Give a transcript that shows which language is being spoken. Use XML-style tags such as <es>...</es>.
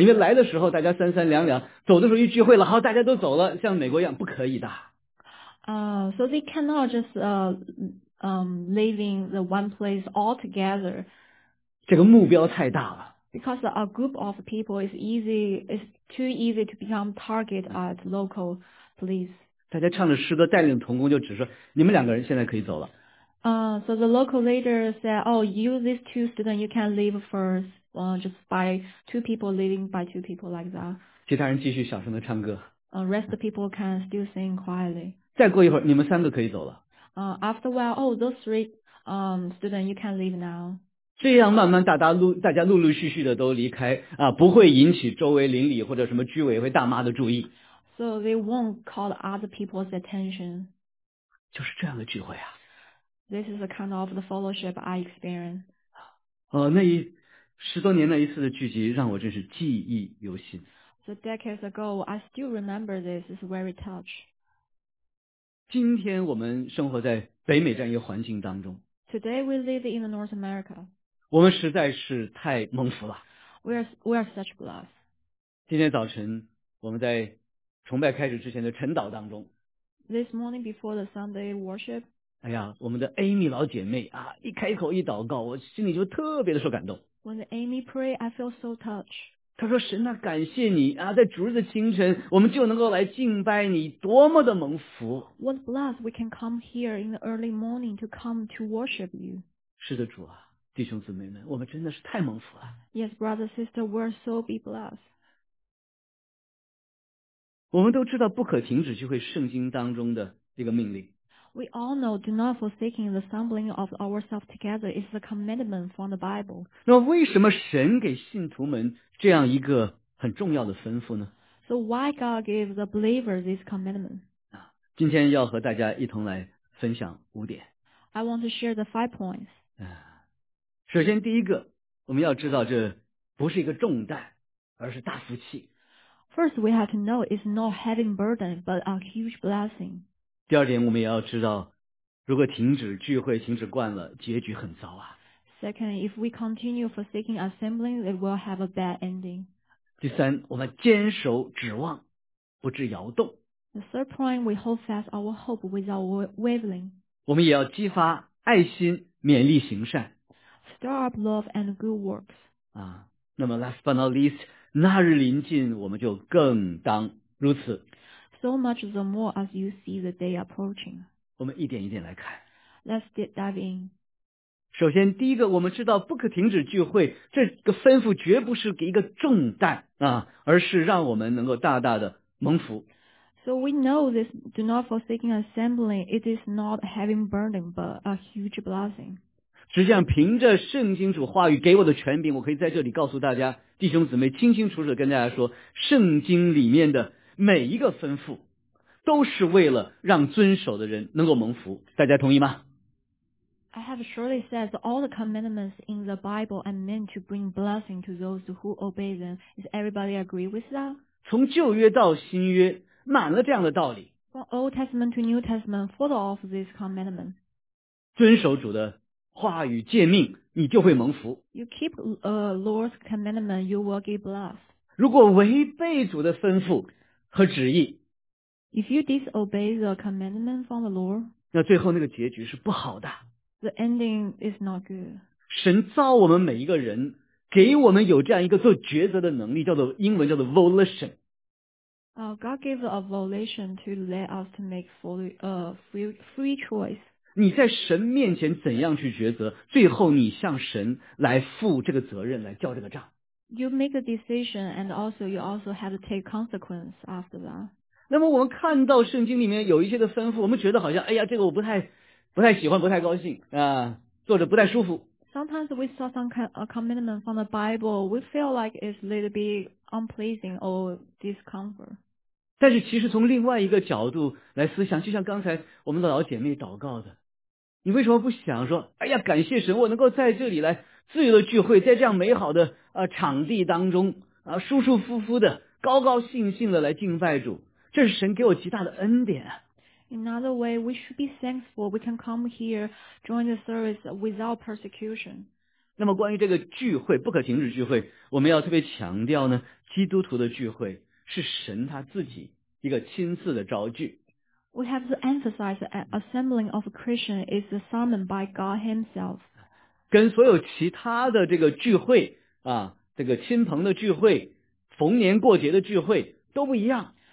<zh>因为来的时候大家三三两两，走的时候一聚会了，好，大家都走了，像美国一样不可以的。</zh> <en>So they cannot just leaving the one place altogether.</en> <zh>这个目标太大了。</zh> <en>Because a group of people is too easy to become target at local police.</en> <zh>大家唱着诗歌，带领同工就只说你们两个人现在可以走了。</zh> <en>So the local leader said, "Oh, you these two students, you can leave first. Just by two people leaving by two people like that."</en> <zh>其他人继续小声的唱歌。</zh> <en>Rest of people can still sing quietly.</en> <zh>再过一会儿，你们三个可以走了。</zh> <en>After a while, oh, those three students, you can leave now.</en> <zh>这样慢慢大家陆陆续续的都离开啊，不会引起周围邻里或者什么居委会大妈的注意。</zh> <en>So they won't call other people's attention.</en> <zh>就是这样的聚会啊。</zh> <en>This is a kind of the fellowship I experienced.</en> <zh>那一十多年那一次的聚集让我真是记忆犹新。</zh> <en>So decades ago, I still remember this. It's very touch.</en> <zh>今天我们生活在北美这样一个环境当中。</zh> <en>Today we live in North America.</en> <zh>我们实在是太蒙福了。</zh> <en>We are such blessed.</en> <zh>今天早晨我们在崇拜开始之前的晨祷当中。</zh> <en>This morning before the Sunday worship.</en> <zh>哎呀，我们的 Amy 老姐妹啊，一开口一祷告，我心里就特别的受感动。</zh> <en>When Amy pray, I feel so touched.</en> <zh>她说：“神啊，感谢你啊，在主日的清晨，我们就能够来敬拜你，多么的蒙福。</zh> <en>”What blessed we can come here in the early morning to come to worship you.</en> <zh>是的，主啊。弟兄姊妹们，我们真的是太蒙福了。</zh> <en>Yes, brother, sister, we're so be blessed.</en> <zh>我们都知道不可停止聚会圣经当中的一个命令。</zh> <en>We all know do not forsaking the assembling of ourselves together is a commandment from the Bible.</en> <zh>那为什么神给信徒们这样一个很重要的吩咐呢？</zh> <en>So why God gave the believers this commandment?</en> <zh>今天要和大家一同来分享五点。</zh> <en>I want to share the 5 points.</en> <zh>首先第一个，我们要知道这不是一个重担，而是大福气。</zh> <en>First, we have to know it's not heavy burden, but a huge blessing.</en> <zh>第二点，我们也要知道，如果停止聚会、停止惯了，结局很糟啊。</zh> <en>Second, if we continue forsaking assembling, it will have a bad ending.</en> <zh>第三，我们坚守指望，不致摇动。</zh> <en>The third point, we hold fast our hope without wavering.</en> <zh>我们也要激发爱心，勉励行善。</zh> <en>Stir up love and good works.</en> <zh>那么</zh> <en>last but not least,</en> <zh>那日临近，我们就更当如此。</zh> <en>So much the more as you see the day approaching.</en> <zh>我们一点一点来看。</zh> <en>Let's dive in.</en> <zh>首先第一个，我们知道不可停止聚会，这个吩咐绝不是给一个重担啊，而是让我们能够大大的蒙福。</zh> <en>So we know this do not forsaking assembly, it is not a heavy burden, but a huge blessing.</en> <zh>实际上凭着圣经主话语给我的权柄，我可以在这里告诉大家，弟兄姊妹，清清楚楚地跟大家说，圣经里面的每一个吩咐都是为了让遵守的人能够蒙福，大家同意吗？</zh> <en>I have surely said that all the commandments in the Bible are meant to bring blessing to those who obey them. Does everybody agree with that?</en> <zh>从旧约到新约满了这样的道理。</zh> <en>From Old Testament to New Testament, full of this commandment.</en> <zh>遵守主的话语诫命，你就会蒙福。</zh> <en>You keep the Lord's commandment, you will get blessed.</en> <zh>如果违背主的吩咐和旨意，</zh> <en>If you disobey the commandment from the Lord,</en> <zh>那最后那个结局是不好的。</zh> <en>The ending is not good.</en> <zh>神造我们每一个人，给我们有这样一个做抉择的能力，叫做英文叫做 volition。</zh> <en>God gave a volition to let us to make free choice.</en> <zh>你在神面前怎样去抉择，最后你向神来负这个责任，来交这个账。</zh> <en>You make a decision and also you also have to take consequence after that.</en> <zh>那么我们看到圣经里面有一些的吩咐，我们觉得好像哎呀这个我不太喜欢，不太高兴啊，做着不太舒服。</zh> <en>Sometimes we saw some kind of commandment from the Bible, we feel like it's a little bit unpleasing or discomfort.</en> <zh>但是其实从另外一个角度来思想，就像刚才我们的老姐妹祷告的，你为什么不想说哎呀感谢神，我能够在这里来自由的聚会，在这样美好的场地当中舒舒服服的高高兴兴的来敬拜主，这是神给我极大的恩典。</zh> <en>In other way, we should be thankful we can come here join the service without persecution.</en> <zh>那么关于这个聚会，不可停止聚会，我们要特别强调呢，基督徒的聚会是神他自己一个亲自的召聚。</zh> <en>We have to emphasize that assembling of Christians is summoned by God himself.</en> <zh>跟所有其他的这个聚会啊，这个亲朋的聚会，逢年过节的聚会都不一样。</zh>